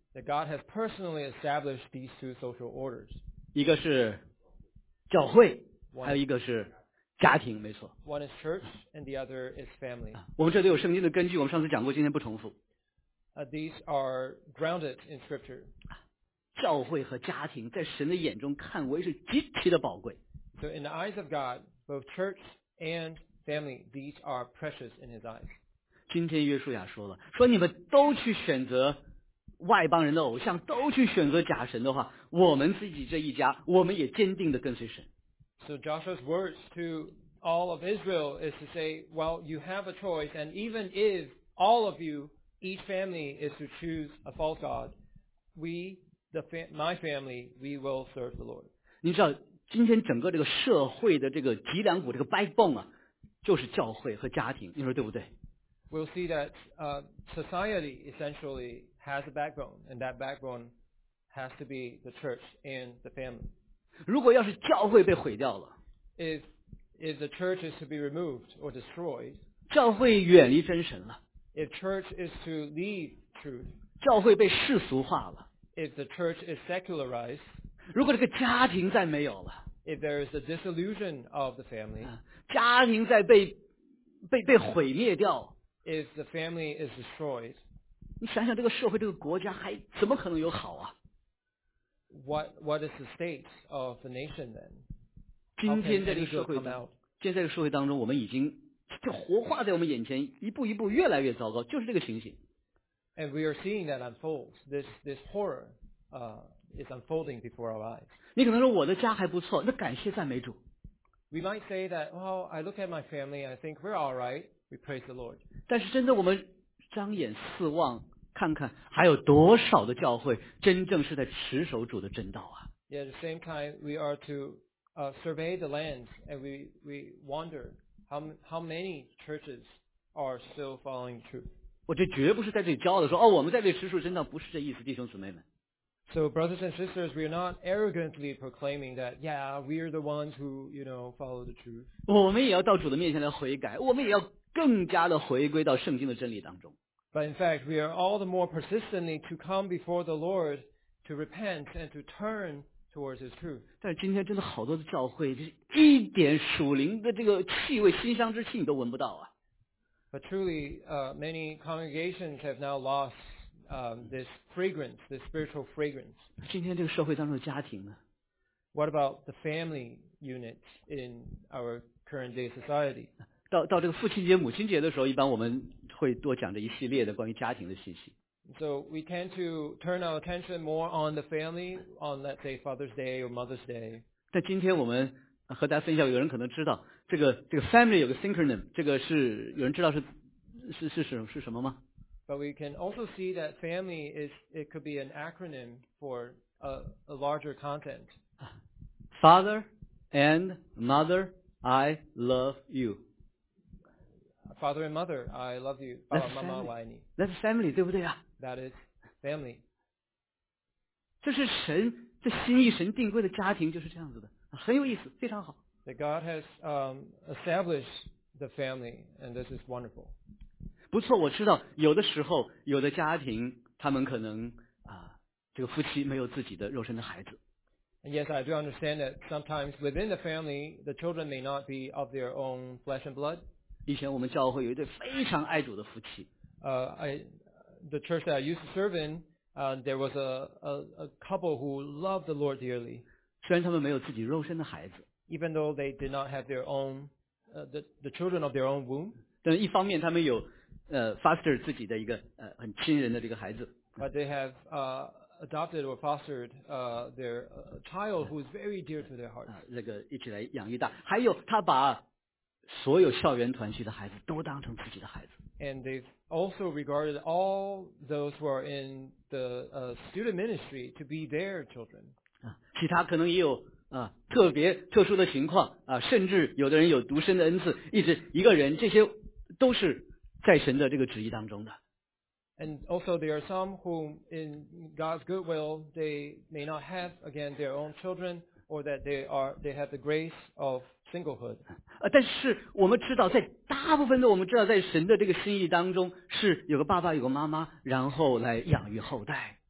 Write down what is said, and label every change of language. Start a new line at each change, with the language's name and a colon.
English: That God has personally established these two social orders.
Chinese: 一个是教会，还有一个是家庭，没错。
English: One is church and the other is family.
Chinese: 我们这都有圣经的根据，我们上次讲过，今天不重复。
English: These are grounded in scripture.
Chinese: 教会和家庭在神的眼中看为是极其的宝贵。
English: So in the eyes of God, both church and family, these are precious in his eyes.
Chinese: 今天约书亚说了，说你们都去选择外邦人的偶像，都去选择假神的话，我们自己这一家，我们也坚定地跟随神。
English: So Joshua's words to all of Israel is to say, well, you have a choice, and even if all of you, each family, is to choose a false god, my family, we will serve the Lord.
Chinese: 你知道，今天整个这个社会的这个脊梁骨，这个 backbone 啊，就是教会和家庭，你说对不对？
English: We'll see that society essentially has a backbone, and that backbone has to be the church and the family.
Chinese: 如果要是教会被毁掉了
English: if the church is to be removed or destroyed,
Chinese: 教会远离真神了
English: if church is to leave truth,
Chinese: 教会被世俗化了
English: if the church is secularized,
Chinese: 如果这个家庭再没有了
English: if there is a dissolution of the family,
Chinese: 家庭再被毁灭掉
English: If the family is destroyed,
Chinese: 你想想这个社会这个国家还怎么可能有好啊
English: what is the state of the nation then?
Chinese: 今天在这个社会今天在这个社会当中我们已经就活化在我们眼前一步一步越来越糟糕就是这个情形
English: And we are seeing that unfold. This horror, is unfolding before our eyes.
Chinese: 你可能说我的家还不错那感谢赞美主
English: We might say that, well, I look at my family and I think we're all right. We praise the Lord.
Chinese: 但是真的我们张眼四望看看还有多少的教会真正是在持守主的真道啊
English: Yeah, at the same time, we are to survey the lands and we wonder how many churches are still following truth.
Chinese: 我这绝不是在这里骄傲的说哦我们在这里持守真道不是这意思弟兄姊妹们
English: So brothers and sisters, we are not arrogantly proclaiming that, yeah, we are the ones who, you know, follow the truth.
Chinese: 我们也要到主的面前来悔改我们也要更加的回归到圣经的真理当中。
English: But in fact, we are all the more persistently to come before the Lord to repent and to turn towards His truth.
Chinese: 但今天真的好多的教会，就是一点属灵的这个气味、馨香之气你都闻不到啊。
English: But truly, many congregations have now lost this fragrance, this spiritual fragrance.
Chinese: 今天这个社会当中的家庭呢
English: ？What about the family unit in our current day society?
Chinese: 到这个父亲节、母亲节的时候，一般我们会多讲这一系列的关于家庭的信息。
English: So we tend to turn our attention more on the family, on let's say Father's Day or Mother's Day.
Chinese: 但今天我们和大家分享，有人可能知道这个 family 有个 synonym， 这个是有人知道是什么吗
English: ？But we can also see that family is it could be an acronym for a larger content. Father and mother, I love you. Father and mother, I love you. That's family,
Chinese: 对不对啊
English: ？That is family.
Chinese: 这是神这心意神定规的家庭就是这样子的，很有意思，非常好。
English: That God has established the family, and this is wonderful.
Chinese: 不错，我知道有的时候有的家庭他们可能这个夫妻没有自己的肉身的孩子。
English: And yes, I do understand that sometimes within the family, the children may not be of their own flesh and blood.
Chinese: 以前我们教会有一对非常爱主的夫妻。
English: The church that I used to serve in, there was a couple who loved the Lord dearly.
Chinese: 虽然他们没有自己肉身的孩子。
English: Even though they did not have their own, the children of their own womb.
Chinese: 但一方面他们有foster 自己的一个很亲人的这个孩子。
English: But they have adopted or fostered their child who is very dear to their hearts.
Chinese: 那个一起来养育大，还有他把。所有校园团契的孩子都当成自己的孩子。
English: And they've also regarded all those who are in the student ministry to be their children.
Chinese: 其他可能也有特别特殊的情况啊，甚至有的人有独身的恩赐，一直一个人，这些都是在神的这个旨意当中的。
English: And also, there are some whom, in God's good will, they may not have again their own children, or that they have the grace of singlehood.
Chinese: 但是我们知道，在大部分的我们知道，在神的这个心意当中，是有个爸爸，有个妈妈，然后来养育后代。